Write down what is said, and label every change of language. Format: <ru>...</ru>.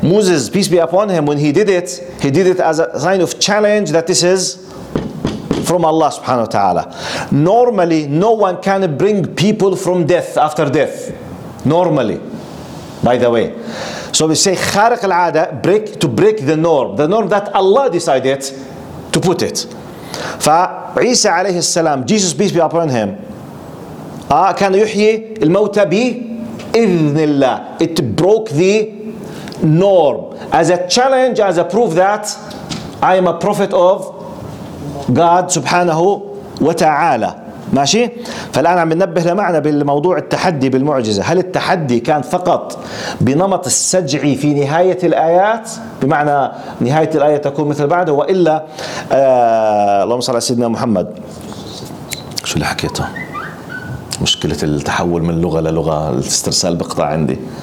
<en>Moses, peace be upon him, when he did it as a sign of challenge that this is from Allah subhanahu wa ta'ala. Normally, no one can bring people from death after death. Normally, by the way. So we say, خارق العادة, to break the norm. The norm that Allah decided to put it.</en> <ar>فعيسى عليه السلام</ar> <en>Jesus peace be upon him</en> <ar>كان يحيي الموتى بإذن الله.</ar> <en>It broke the norm as a challenge, as a proof that I am a prophet of God</en> <ar>سبحانه وتعالى. ماشي؟ فالآن عم ننبه لمعنى بالموضوع التحدي بالمعجزة. هل التحدي كان فقط بنمط السجعي في نهاية الآيات، بمعنى نهاية الآية تكون مثل بعده، وإلا اللهم صل على سيدنا محمد، شو اللي حكيته؟ مشكلة التحول من لغة للغة، الاسترسال بقطع عندي.</ar>